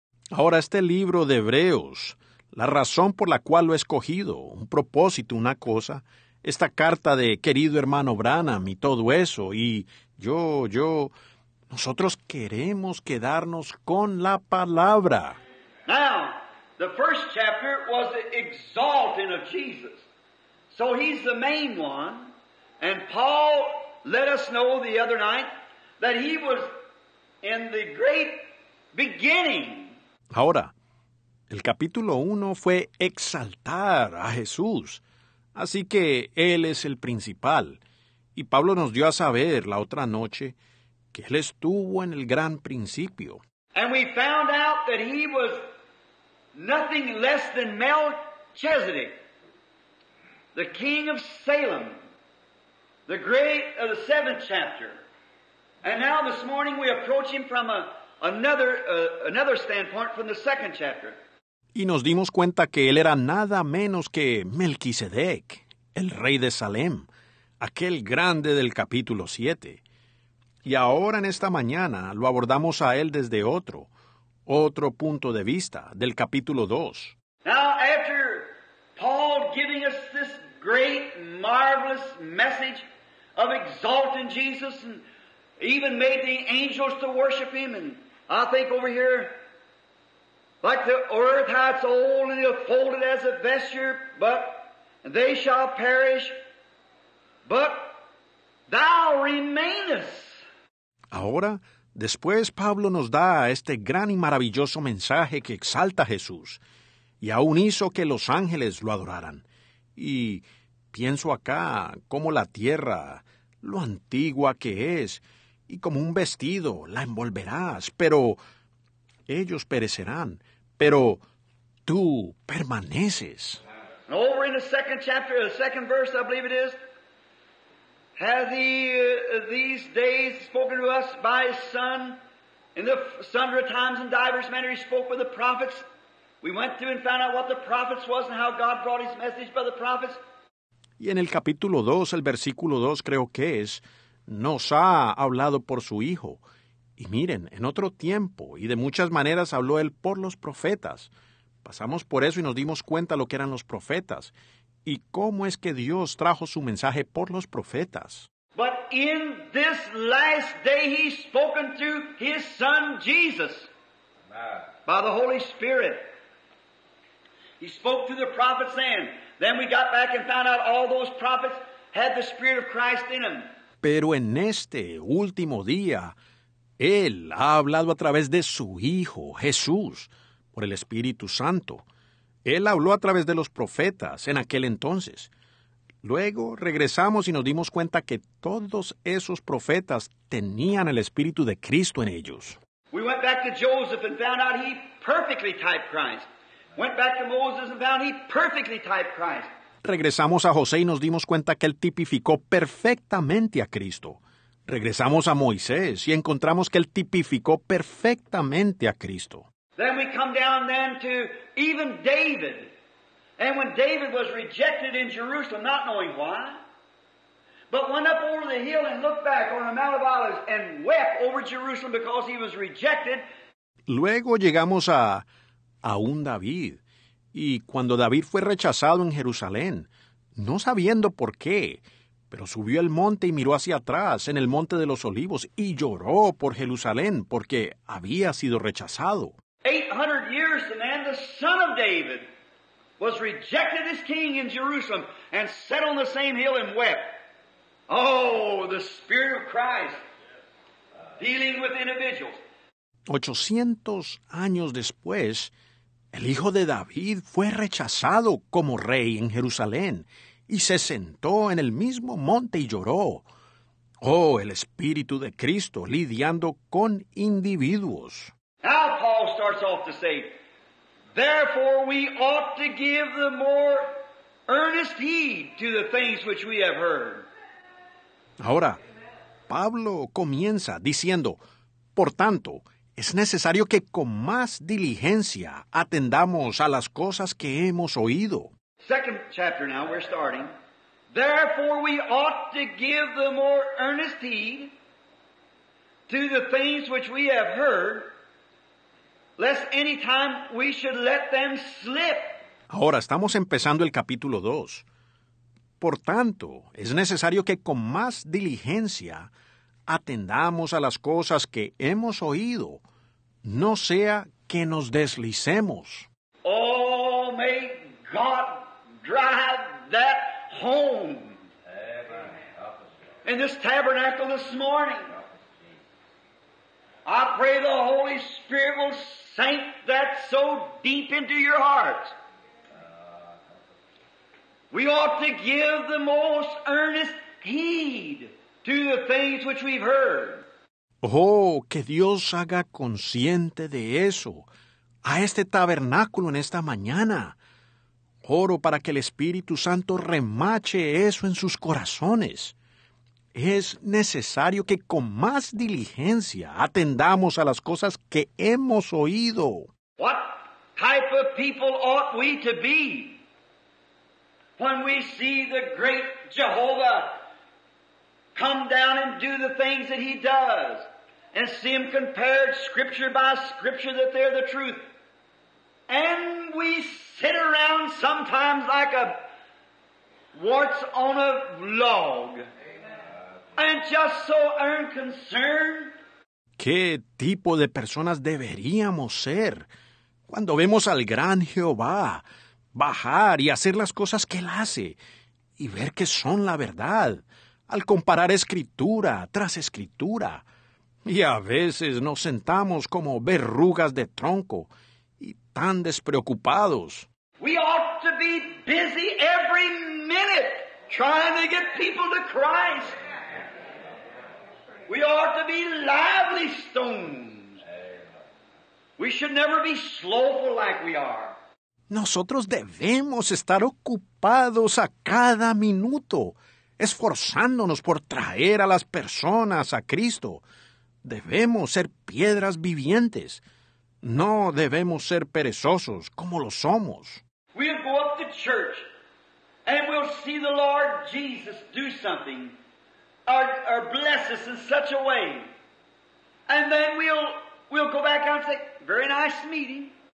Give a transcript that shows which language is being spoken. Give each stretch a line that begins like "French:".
Spanish: Ahora, este libro de Hebreos, la razón por la cual lo he escogido, un propósito, una cosa, esta carta de querido hermano Branham y todo eso, y yo, nosotros queremos quedarnos con la palabra.
English: Now, the first chapter was the exalting of Jesus. So he's the main one, and Paul let us know the other night that he was in the great beginning.
Spanish: Ahora, el capítulo 1 fue exaltar a Jesús, así que él es el principal. Y Pablo nos dio a saber la otra noche que él estuvo en el gran principio.
English: And we found out that he was nothing less than Melchizedek. The king of Salem, the great of the seventh chapter. And now this morning we approach him from another standpoint from the second chapter.
Spanish: Y nos dimos cuenta que él era nada menos que Melquisedec, el rey de Salem, aquel grande del capítulo 7. Y ahora en esta mañana lo abordamos a él desde otro punto de vista del capítulo 2.
English: Now, after Paul giving us this great, marvelous message of exalting Jesus and even made the angels to worship him, and I think over here, like the earth, how it's old and folded as a vesture, but they shall perish, but thou remainest.
Spanish: Ahora, después Pablo nos da este gran y maravilloso mensaje que exalta a Jesús, y aún hizo que los ángeles lo adoraran. Y pienso acá como la tierra, lo antigua que es, y como un vestido, la envolverás, pero ellos perecerán, pero tú permaneces.
English: Over in the second chapter, the second verse, I believe it is, hath he these days spoken to us by his Son, in the sundry times and divers manner he spoke with the prophets. We went through and found out what the prophets was and how God brought his message by the prophets.
Spanish: Y en el capítulo 2, el versículo 2 creo que es, nos ha hablado por su Hijo. Y miren, en otro tiempo y de muchas maneras habló él por los profetas. Pasamos por eso y nos dimos cuenta lo que eran los profetas y cómo es que Dios trajo su mensaje por los profetas.
English: But in this last day he's spoken to his Son Jesus. By the Holy Spirit. He spoke to the prophets then. Then we got back and found out all those prophets had the Spirit of Christ in them.
Spanish: Pero en este último día, Él ha hablado a través de su Hijo, Jesús, por el Espíritu Santo. Él habló a través de los profetas en aquel entonces. Luego regresamos y nos dimos cuenta que todos esos profetas tenían el Espíritu de Cristo en ellos.
English: We went back to Joseph and found out he perfectly typed Christ. Went back to Moses and found he perfectly typed Christ.
Spanish: Regresamos a José y nos dimos cuenta que él tipificó perfectamente a Cristo. Regresamos a Moisés y encontramos que él tipificó perfectamente a Cristo.
English: Then we come down then to even David. And when David was rejected in Jerusalem, not knowing why, but went up over the hill and looked back on the Mount of Olives and wept over Jerusalem because he was rejected.
Spanish: Luego llegamos a un David. Y cuando David fue rechazado en Jerusalén, no sabiendo por qué, pero subió el monte y miró hacia atrás en el Monte de los Olivos y lloró por Jerusalén porque había sido rechazado.
English: 800 years and then the son of David was rejected as king in Jerusalem and sat on the same hill and wept. Oh, the Spirit of Christ dealing with individuals.
Spanish: 800 años después, el hijo de David fue rechazado como rey en Jerusalén y se sentó en el mismo monte y lloró. Oh, el Espíritu de Cristo lidiando con individuos.
English: Now Paul starts off to say, therefore we ought to give the more earnest heed to the things which we have heard.
Spanish: Ahora, Pablo comienza diciendo, por tanto, es necesario que con más diligencia atendamos a las cosas que hemos oído.
English: Second chapter now, we're starting. Therefore we ought to give the more earnest heed to the things which we have heard, lest any time we should let them slip.
Spanish: Ahora, estamos empezando el capítulo 2. Por tanto, es necesario que con más diligencia atendamos a las cosas que hemos oído, no sea que nos deslicemos.
English: Oh, may God drive that home. In this tabernacle this morning, I pray the Holy Spirit will sink that so deep into your heart. We ought to give the most earnest heed to the things which we've heard.
Spanish: Oh, que Dios haga consciente de eso a este tabernáculo en esta mañana. Oro para que el Espíritu Santo remache eso en sus corazones. Es necesario que con más diligencia atendamos a las cosas que hemos oído.
English: What type of people ought we to be? When we see the great Jehovah come down and do the things that he does, and see them compared scripture by scripture that they're the truth. And we sit around sometimes like a warts on a log. And just so unconcerned.
Spanish: ¿Qué tipo de personas deberíamos ser cuando vemos al gran Jehová bajar y hacer las cosas que Él hace y ver que son la verdad, al comparar escritura tras escritura? Y a veces nos sentamos como verrugas de tronco y tan despreocupados.
English: We ought to be busy every minute trying to get people to Christ. We ought to be lively stones. We should never be slowful like we are.
Spanish: Nosotros debemos estar ocupados a cada minuto, esforzándonos por traer a las personas a Cristo. Debemos ser piedras vivientes. No debemos ser perezosos como lo somos.
English: We'll go up to church and we'll see the Lord Jesus do something or bless us in such a way. And then we'll go back out and say, very nice meeting.